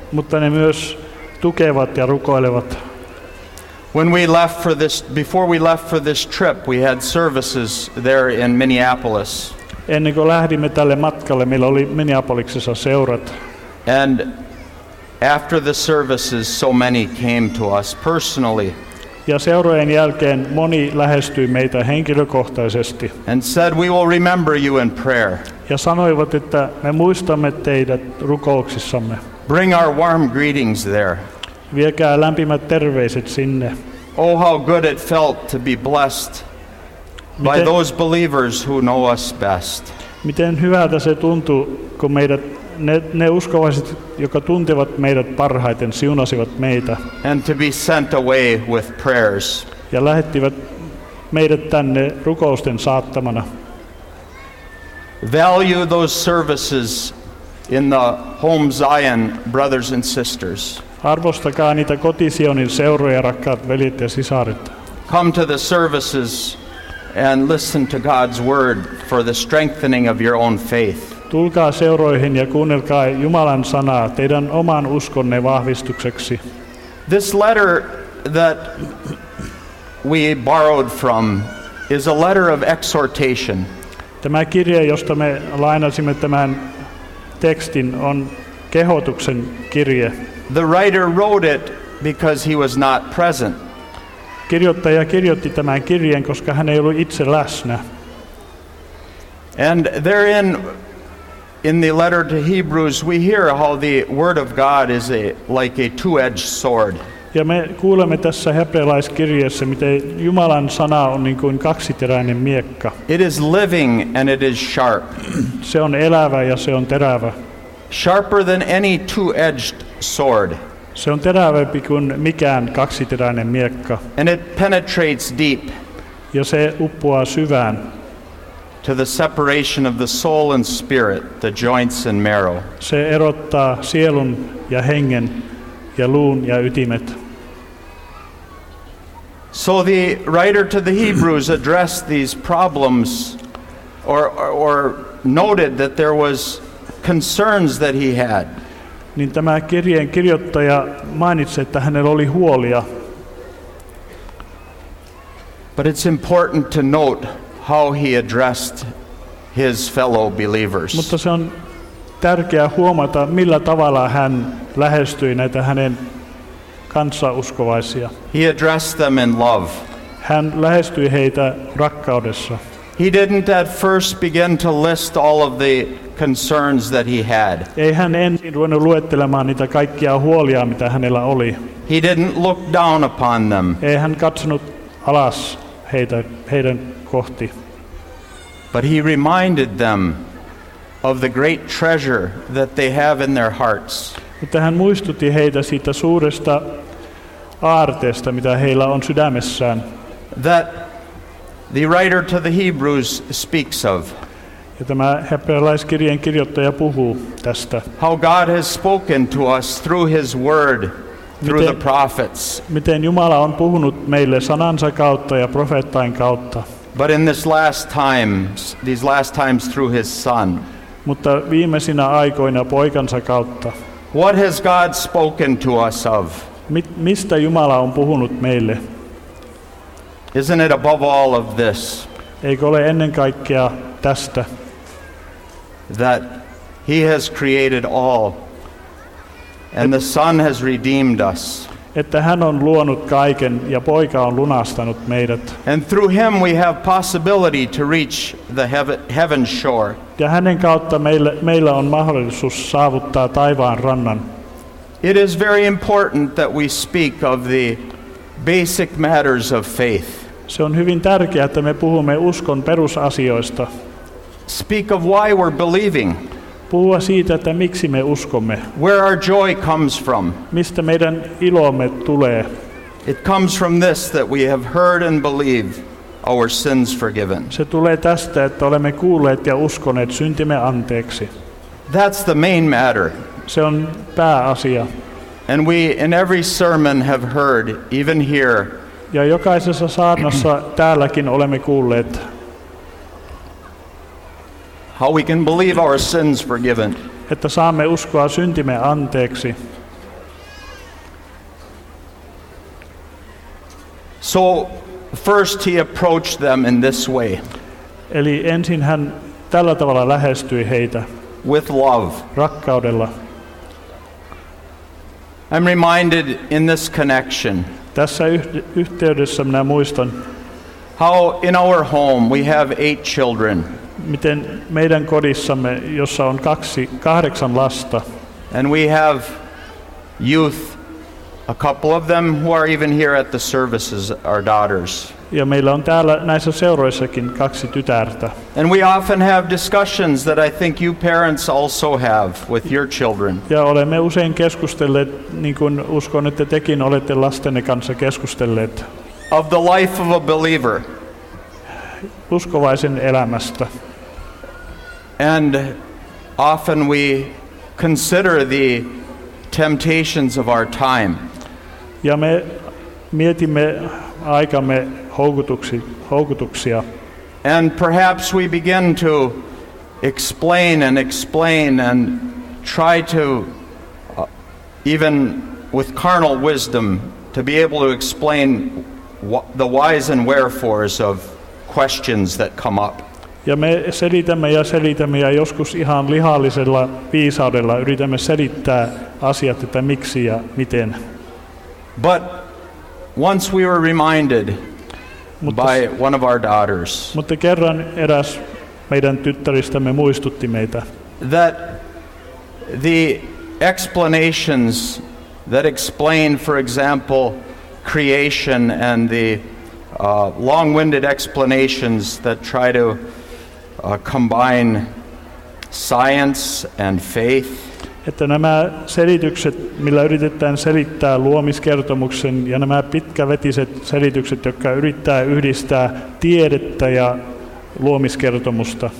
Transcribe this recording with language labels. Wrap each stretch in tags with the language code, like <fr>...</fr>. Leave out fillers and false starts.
<fi>Mutta ne myös tukevat ja rukoilevat.</fi> <en>When we left for this, before we left for this trip, we had services there in Minneapolis.</en> <fi>Ennen kuin lähdimme tälle matkalle, meillä oli Minneapolisissa seurat.</fi> <en>And after the services, so many came to us personally.</en> <fi>Ja seurojen jälkeen moni lähestyi meitä henkilökohtaisesti.</fi> <en>And said, "We will remember you in prayer."</en> <fi>Ja sanoivat, että me muistamme teidät rukouksissamme.</fi> <en>Bring our warm greetings there.</en> <fi>Viekää lämpimät terveiset sinne.</fi> <en>Oh, how good it felt to be blessed by those believers who know us best.</en> <fi>Miten hyvältä se tuntui, kun meidät ne uskovaiset, jotka tuntevat meidät parhaiten, siunasivat meitä.</fi> <en>And to be sent away with prayers.</en> <fi>Ja lähettivät meidät tänne rukousten saattamana.</fi> <en>Value those services in the home Zion, brothers and sisters.</en> <fi>Arvostakaa niitä kotisionin seuroja, rakkaat veljet ja sisaret.</fi> <en>Come to the services and listen to God's word for the strengthening of your own faith.</en> <fi>Tulkaa seuroihin ja kuunnelkaa Jumalan sanaa teidän oman uskonne vahvistukseksi.</fi> <en>This letter that we borrowed from is a letter of exhortation.</en> <fi>Tämä kirja, josta me lainasimme tämän tekstin, on kehotuksen kirje.</fi> <en>The writer wrote it because he was not present.</en> <fi>Kirjoittaja kirjoitti tämän kirjeen, koska hän ei ollut itse läsnä.</fi> <en>And therein, in the letter to Hebrews, we hear how the word of God is like a two-edged sword.</en> <fi>Ja me kuulemme tässä hebrealaiskirjeessä, miten Jumalan sana on niin kuin kaksiteräinen miekka.</fi> <en>It is living and it is sharp.</en> <fi>Se on elävä ja se on terävä.</fi> <en>Sharper than any two-edged sword.</en> <fi>Se on terävämpi kuin mikään kaksiteräinen miekka.</fi> <en>And it penetrates deep.</en> <fi>Ja se uppoaa syvään.</fi> <en>To the separation of the soul and spirit, the joints and marrow.</en> <fi>Se erottaa sielun ja hengen ja luun ja ytimet.</fi> <en>So the writer to the Hebrews addressed these problems or noted that there was concerns that he had.</en> <fi>Niin tämä kirjeen kirjoittaja mainitsi, että hänellä oli huolia.</fi> <en>But it's important to note how he addressed his fellow believers.</en> <fi>Mutta se on tärkeää huomata, millä tavalla hän lähestyi näitä hänen kanssauskovaisia.</fi> <en>He addressed them in love.</en> <fi>Hän lähestyi heitä rakkaudessa.</fi> <en>He didn't at first begin to list all of the concerns that he had.</en> <fi>Ei hän ensin ruvennut luettelemaan niitä kaikkia huolia, mitä hänellä oli.</fi> <en>He didn't look down upon them.</en> <fi>Ei hän katsonut alas heidän kohti.</fi> <en>But he reminded them of the great treasure that they have in their hearts.</en> <fi>Mutta hän muistutti heitä siitä suuresta aarteesta, mitä heillä on sydämessään.</fi> <en>That the writer to the Hebrews speaks of.</en> <fi>Ja tämä hebrealaiskirjeen kirjoittaja puhuu tästä.</fi> <en>How God has spoken to us through his word, through the prophets.</en> <fi>Miten Jumala on puhunut meille sanansa kautta ja profeettain kautta.</fi> <en>But in this last time, these last times through his son.</en> <fi>Mutta viimeisinä aikoina poikansa kautta.</fi> <en>What has God spoken to us of?</en> <fi>Mistä Jumala on puhunut meille?</fi> <en>Isn't it above all of this?</en> <fi>Eikö ole ennen kaikkea tästä?</fi> <en>That he has created all and the Son has redeemed us.</en> <fi>Että hän on luonut kaiken ja poika on lunastanut meidät.</fi> <en>And through him we have possibility to reach the heaven shore.</en> <fi>Ja hänen kautta meillä on mahdollisuus saavuttaa taivaan rannan.</fi> <en>It is very important that we speak of the basic matters of faith.</en> <fi>Se on hyvin tärkeää, että me puhumme uskon perusasioista.</fi> <en>Speak of why we're believing.</en> <fi>Puhua siitä, että miksi me uskomme.</fi> <en>Where our joy comes from.</en> <fi>Mistä meidän ilomme tulee.</fi> <en>It comes from this, that we have heard and believed our sins forgiven.</en> <fi>Se tulee tästä, että olemme kuulleet ja uskoneet syntimme anteeksi.</fi> <en>That's the main matter.</en> <fi>Se on pääasia.</fi> <en>And we in every sermon have heard, even here.</en> <fi>Ja jokaisessa saarnassa täälläkin olemme kuulleet.</fi> <en>How we can believe our sins forgiven.</en> <fi>Että saamme uskoa syntimme anteeksi.</fi> <en>So first he approached them in this way.</en> <fi>Eli ensin hän tällä tavalla lähestyi heitä.</fi> <en>With love.</en> <fi>Rakkaudella.</fi> <en>I'm reminded in this connection.</en> <fi>Tässä yhteydessä minä muistan.</fi> <en>How in our home we have 8 children.</en> <fi>Miten meidän kodissamme, jossa on 8 lasta.</fi> <en>And we have youth, a couple of them who are even here at the services, our daughters.</en> <fi>Ja meillä on täällä näissä seuroissakin 2 tytärtä.</fi> <en>And we often have discussions that I think you parents also have with your children.</en> <fi>Ja olemme usein keskustelleet, niin kuin uskon, että tekin olette lastenne kanssa keskustelleet.</fi> <en>Of the life of a believer.</en> <fi>Uskovaisen elämästä.</fi> <en>And often we consider the temptations of our time.</en> <fi>Ja me mietimme aikamme houkutuksia.</fi> <en>And perhaps we begin to explain and explain and try to even with carnal wisdom to be able to explain the whys and wherefores of questions that come up.</en> <fi>Ja me selitämme ja selitämme ja joskus ihan lihallisella viisaudella yritämme selittää asiat, että miksi ja miten.</fi> <en>But once we were reminded by one of our daughters.</en> <fi>Mutta kerran eräs meidän tyttäristämme muistutti meitä.</fi> <en>That the explanations that explain, for example, creation and the long-winded explanations that try to combine science and faith.</en> <fi>Että nämä selitykset, millä yritetään selittää luomiskertomuksen, ja nämä pitkävetiset selitykset, jotka yrittää yhdistää tiedettä ja luomiskertomusta.</fi>